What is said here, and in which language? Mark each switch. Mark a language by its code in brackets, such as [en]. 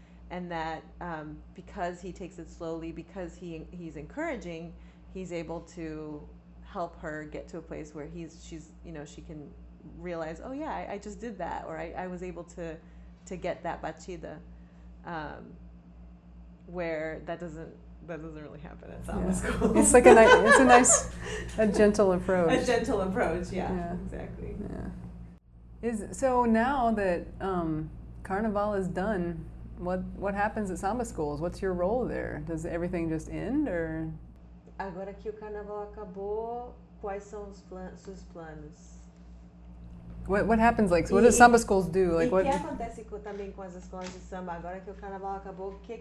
[en] And that because he takes it slowly, because he's encouraging, he's able to help her get to a place where she's, you know, she can realize, oh yeah, I just did that, or I was able to get that batida, where that doesn't really happen at samba school. It's like a gentle approach. A gentle approach, yeah, yeah. Exactly. Yeah. Is so now that Carnival is done, what happens at samba schools? What's your role there? Does everything just end, or? [pt] Agora que o carnaval acabou, quais são os seus planos? [en] What happens, like, so what do samba schools do? Like, [pt] e [en] what? [pt] O que acontece também com as escolas de samba agora que o carnaval acabou?